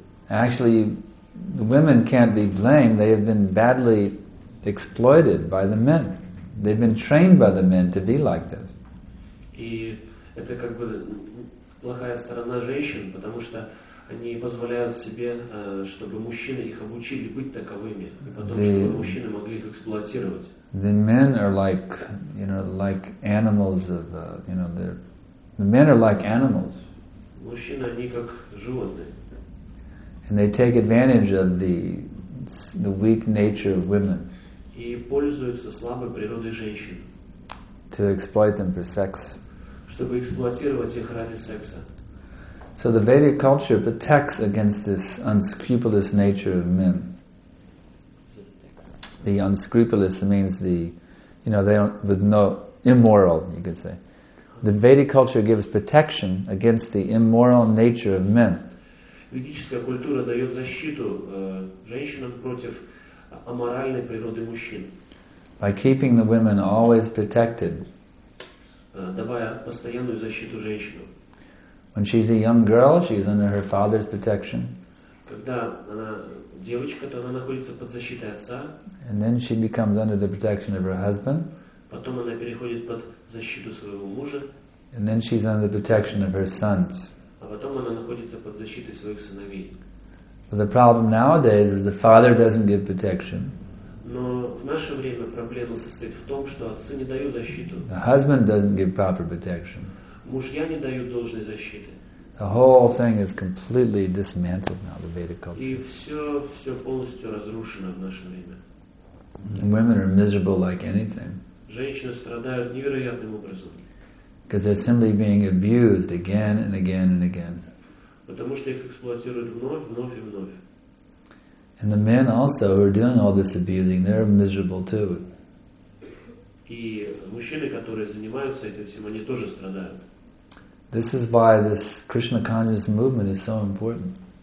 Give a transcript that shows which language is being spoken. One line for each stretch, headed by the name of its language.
English: Actually, the women can't be blamed. They have been badly exploited by the men. They've been trained by the men to be like this.
Russian: И это как бы плохая сторона женщин, потому что они позволяют себе, чтобы мужчины их обучили быть таковыми, потому что мужчины могли их эксплуатировать.
English: The men are like, you know, like animals of, you know, the men are like animals.
Russian: Мужчины, они как животные.
English: And they take advantage of the weak nature of women.
Russian: И пользуются слабой природой женщин.
English: To exploit them for sex.
Russian: Чтобы эксплуатировать их ради секса.
English: So the Vedic culture protects against this unscrupulous nature of men. The unscrupulous means the, you know, they don't, with no, immoral, you could say. The Vedic culture gives protection against the immoral nature of men.
Russian: Ведическая культура дает защиту женщинам против аморальной природы мужчин.
English: By keeping the women always protected.
Russian: Давая постоянную защиту женщину.
English: When she's a young girl, she's under her father's protection.
Russian: Когда она девочка, то она находится под защитой отца.
English: And then she becomes under the protection of her husband.
Russian: Потом она переходит под защиту своего мужа.
English: And then she's under the protection of her sons.
Russian: А потом она находится под защитой своих сыновей.
English: But the problem nowadays is the father doesn't give protection.
Russian: Но в наше время проблема состоит в том, что отцы не дают защиту.
English: The husband doesn't give proper protection.
Russian: Мужья не дают должной защиты.
English: The whole thing is completely dismantled now, the Vedic culture.
Russian: И все полностью разрушено в наше время.
English: And women are miserable like anything.
Russian: Женщины страдают невероятным образом.
English: Because they're simply being abused again and again and again.
Russian: Потому что их эксплуатируют вновь, вновь и вновь.
English: And the men also who are doing all this abusing, they're miserable too.
Russian: И мужчины, которые занимаются этим всем, они тоже страдают.
English: This is why this Krishna conscious movement is so important.